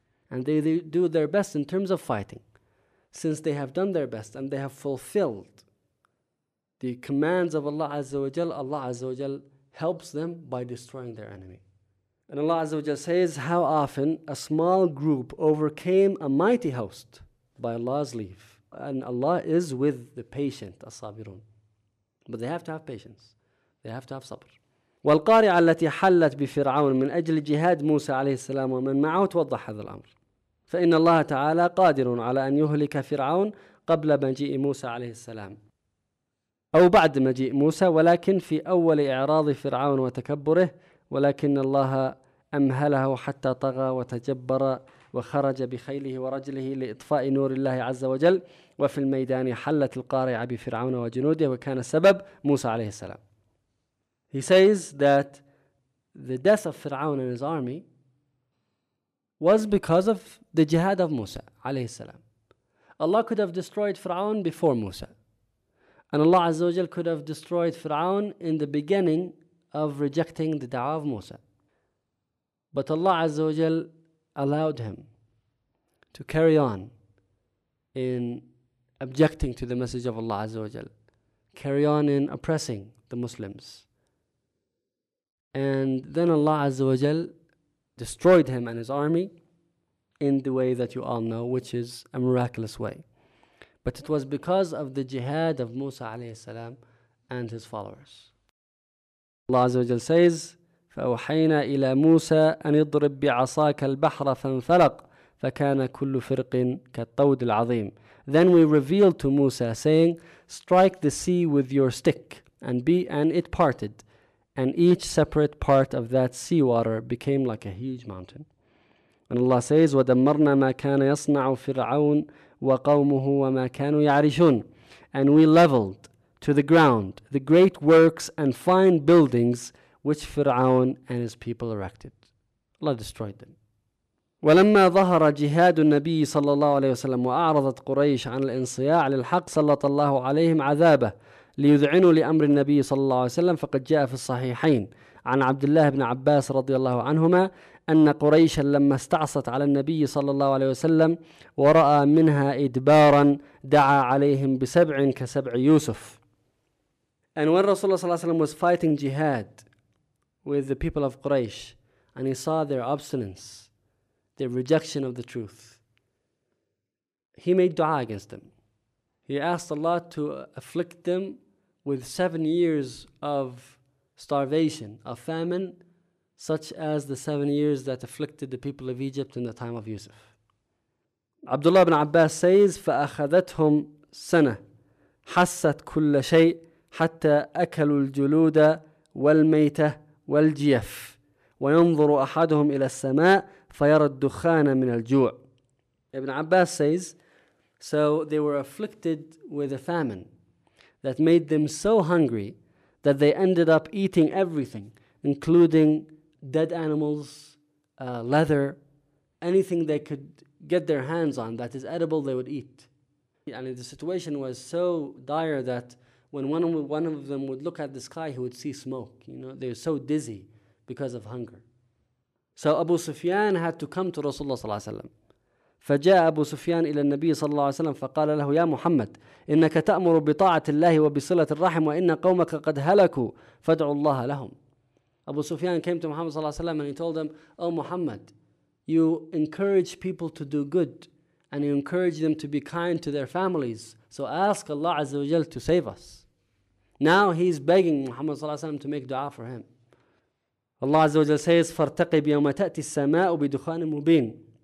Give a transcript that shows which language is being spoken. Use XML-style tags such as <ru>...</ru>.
<en>And they do their best in terms of fighting. Since they have done their best and they have fulfilled the commands of Allah Azza wa Jal, Allah Azza wa Jal helps them by destroying their enemy. And Allah Azza wa Jal says how often a small group overcame a mighty host by Allah's leave. And Allah is with the patient, as-sabirun. But they have to have patience. They have to have sabr.</en> <ar>والقارعة التي حلت بفرعون من أجل جهاد موسى عليه السلام ومن معه توضح هذا الأمر. فإن الله تعالى قادر على أن يهلك فرعون قبل مجيء موسى عليه السلام أو بعد مجيء موسى، ولكن في أول إعراض فرعون وتكبره، ولكن الله أمهله حتى طغى وتجبر وخرج بخيله ورجله لإطفاء نور الله عز وجل، وفي الميدان حلت القارعة بفرعون وجنوده، وكان سبب موسى عليه السلام.</ar> <en>He says that the death of Fir'aun and his army was because of the jihad of Musa عليه السلام. Allah could have destroyed Fir'aun before Musa, and Allah Azza wa Jal could have destroyed Fir'aun in the beginning of rejecting the da'wah of Musa. But Allah Azza wa Jal allowed him to carry on in objecting to the message of Allah Azza wa Jal, carry on in oppressing the Muslims. And then Allah Azza wa Jal destroyed him and his army in the way that you all know, which is a miraculous way. But it was because of the jihad of Musa alayhi salam and his followers. Allah Azza wa Jal says,</en> <ar>فَأُوحَيْنَا إِلَى مُوسَىٰ أَنْ يَضْرِبْ بِعَصَاكَ الْبَحْرَ فَانْفَلَقْ فَكَانَ كُلُّ فِرْقٍ كَالطَّوْدِ الْعَظِيمِ.</ar> <en>Then we revealed to Musa saying, strike the sea with your stick, and it parted, and each separate part of that seawater became like a huge mountain. And Allah says,</en> <ar>وَدَمَّرْنَا مَا كَانَ يَصْنَعُ فِرْعَوْنَ وَقَوْمُهُ وَمَا كَانُوا يَعْرِشُونَ.</ar> <en>And we leveled to the ground the great works and fine buildings which Fir'aun and his people erected. Allah destroyed them.</en> <ar>وَلَمَّا ظَهَرَ جِهَادُ النَّبِيِّ صَلَّى اللَّهُ عَلَيْهِ وَسَلَّمُ وَأَعْرَضَتْ قُرَيْشَ عَنْ الْإِنْصِيَاعِ لِلْحَقِّ صَلَّطَ اللَّهُ عَلَيْهِمْ عَذَابَهُ ليذعنوا لأمر النبي صلى الله عليه وسلم، فقد جاء في الصحيحين عن عبد الله بن عباس رضي الله عنهما أن قريشا لما استعصت على النبي صلى الله عليه وسلم ورأى منها إدبارا دعا عليهم بسبع كسبع يوسف.</ar> <en>And when Rasulullah صلى الله عليه وسلم was fighting jihad with the people of Quraysh and he saw their obstinance, their rejection of the truth, he made dua against them. He asked Allah to afflict them with 7 years of starvation, of famine, such as the 7 years that afflicted the people of Egypt in the time of Yusuf. Abdullah ibn Abbas says,</en> <ar>فَأَخَذَتْهُمْ سَنَةً حَسَّتْ كُلَّ شَيْءٍ حَتَّى أَكَلُوا الْجُلُودَ وَالْمَيْتَةِ وَالْجِيَفِ وَيَنْظُرُ أَحَدُهُمْ إِلَى السَّمَاءِ فَيَرَى الدُّخَانَ مِنَ الْجُوعِ.</ar> <en>Ibn Abbas says, so they were afflicted with a famine that made them so hungry that they ended up eating everything, including dead animals, leather, anything they could get their hands on that is edible, they would eat. And the situation was so dire that when one of them would look at the sky, he would see smoke. You know, they were so dizzy because of hunger. So Abu Sufyan had to come to Rasulullah صلى الله عليه وسلم.</en> <ar>فجاء أبو سفيان إلى النبي صلى الله عليه وسلم فقال له يا محمد إنك تأمر بطاعة الله وبصلة الرحم وإن قومك قد هلكوا فادعوا الله لهم.</ar> <en>أبو سفيان came to Muhammad صلى الله عليه وسلم and he told him, oh Muhammad, you encourage people to do good and you encourage them to be kind to their families, so ask Allah عز وجل to save us. Now he's begging Muhammad صلى الله عليه وسلم to make dua for him.</en> <ar>Allah عز وجل says, فارتقب يوم تأتي السماء بدخان مبين.</ar>